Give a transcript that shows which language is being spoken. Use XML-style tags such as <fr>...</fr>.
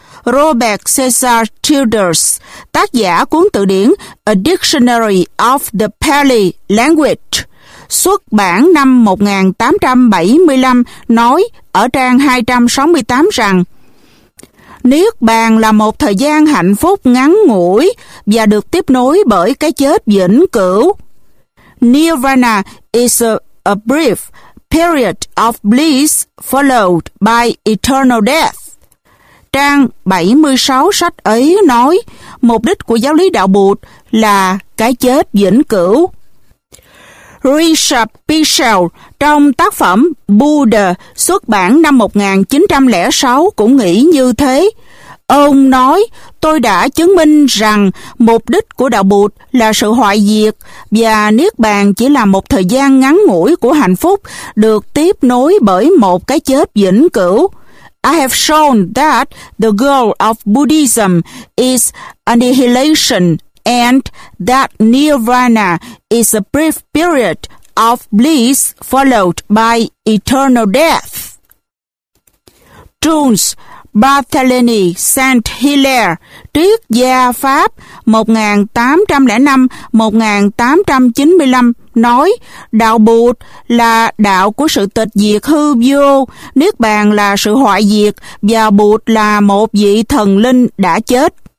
<vi>Robert Cesar Childers, tác giả cuốn tự điển A Dictionary of the Pali Language, xuất bản năm 1875, nói ở trang 268 rằng Niết Bàn là một thời gian hạnh phúc ngắn ngủi và được tiếp nối bởi cái chết vĩnh cửu.</vi> <en>Nirvana is a brief period of bliss followed by eternal death.</en> <vi>Trang 76 sách ấy nói, mục đích của giáo lý đạo Bụt là cái chết vĩnh cửu. Richard Pichel trong tác phẩm Buddha xuất bản năm 1906 cũng nghĩ như thế. Ông nói, tôi đã chứng minh rằng mục đích của đạo Bụt là sự hoại diệt và Niết Bàn chỉ là một thời gian ngắn ngủi của hạnh phúc được tiếp nối bởi một cái chết vĩnh cửu.</vi> <en>I have shown that the goal of Buddhism is annihilation and that Nirvana is a brief period of bliss followed by eternal death.</en> <vi>Jules Barthélemy Saint-Hilaire, triết gia Pháp 1805-1895, nói đạo Bụt là đạo của sự tịch diệt hư vô, Niết Bàn là sự hoại diệt và Bụt là một vị thần linh đã chết.</vi>